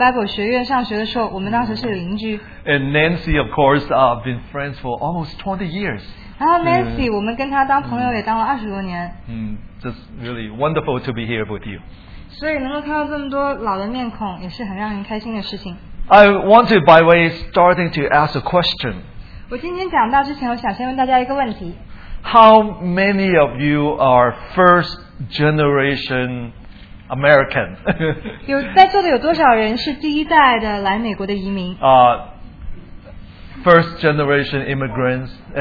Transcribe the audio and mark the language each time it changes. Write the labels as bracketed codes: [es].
[zh] 25年前我们参加了Noma Bible学院上学的时候，我们当时是邻居。 [en] And Nancy, of course, been friends for almost 20 years. [zh] 然后Nancy，我们跟她当朋友也当了二十多年。 [en] Just really wonderful to be here with you. [zh] 所以能够看到这么多老的面孔，也是很让人开心的事情。 [en] I want to, by way, starting to ask a question. [zh] 我今天讲到之前，我想先问大家一个问题。 [en] How many of you are first generation American? [zh] 有在座的有多少人是第一代的来美国的移民？ [en] First generation immigrants.